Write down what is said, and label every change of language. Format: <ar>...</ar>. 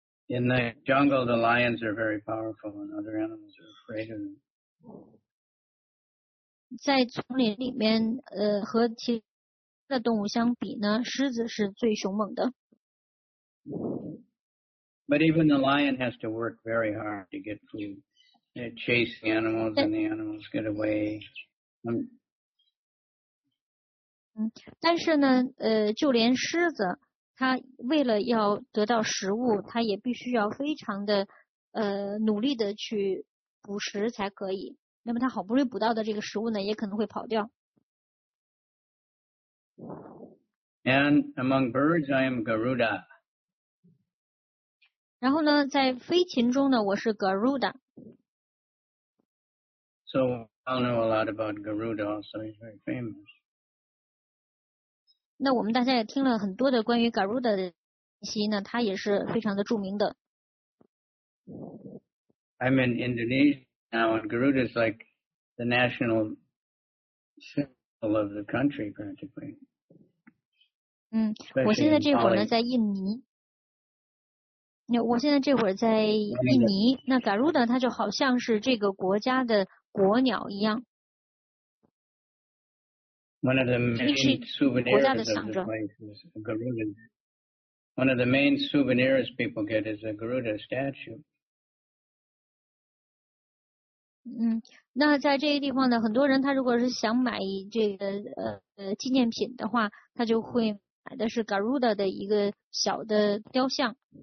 <en>In the jungle, the lions are very powerful, and other animals are afraid of them.</en> <zh>在丛林里面，和其他的动物相比呢，狮子是最凶猛的。</zh> <en>But even the lion has to work very hard to get food. They chase the animals and the animals get away.</en> <zh>但是呢，就连狮子，它为了要得到食物，它也必须要非常的努力的去捕食才可以。那么它好不容易捕到的这个食物呢，也可能会跑掉。</zh> <en>And among birds, I am Garuda.</en> <zh>然后呢，在飞禽中呢，我是 Garuda。</zh> <en>So I know a lot about Garuda, also he's very famous.</en> <zh>那我们大家也听了很多的关于 Garuda 的信息呢，他也是非常的著名的。</zh> <en>I'm in Indonesia now, and Garuda is like the national symbol of the country, practically.</en> <zh>我现在这会儿呢在印尼。我现在这会儿在印尼，那 Garuda 它就好像是这个国家的国鸟一样。</zh> <en>One of the main souvenirs of the place is a Garuda. One of the main souvenirs people get is a Garuda statue.</en> <zh>那在这个地方呢，很多人他如果是想买这个纪念品的话，他就会买的是 Garuda 的一个小的雕像。</zh>